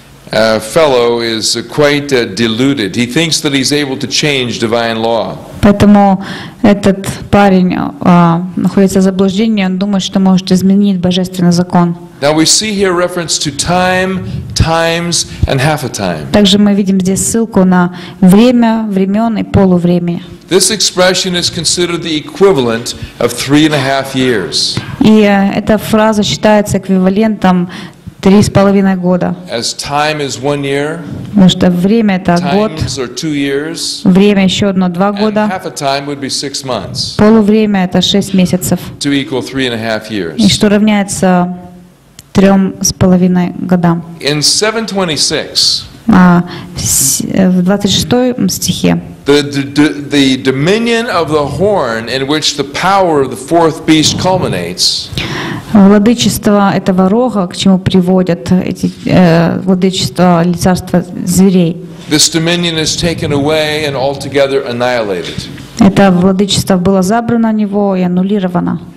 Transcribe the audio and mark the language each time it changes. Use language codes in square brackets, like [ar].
[en] Fellow is quite deluded. He thinks that he's able to change divine law. [ru] Поэтому этот парень находится в заблуждении. Он думает, что может изменить божественный закон. [en] Now we see here reference to time, times, and half a time. [ru] Также мы видим здесь ссылку на время, времен и полувремени. [en] This expression is considered the equivalent of 3.5 years. [ru] И эта фраза считается эквивалентом 3.5 года. [en] As time is 1 year. [ru] Потому что время это год. [en] Times are 2 years. [ru] Время еще одно 2 года. [en] And half a time would be 6 months. [ru] Полувремя это 6 месяцев. [en] To equal 3.5 years. [ru] И что равняется 3.5 годам. [en] In 7:26. [ru] В 26 стихе. [en] The dominion of the horn in which the power of the fourth beast culminates. [ru] Владычество этого рога, к чему приводят эти владычество царства зверей. [en] This dominion is taken away and altogether annihilated. [ru] Это владычество было забрано у него и аннулировано.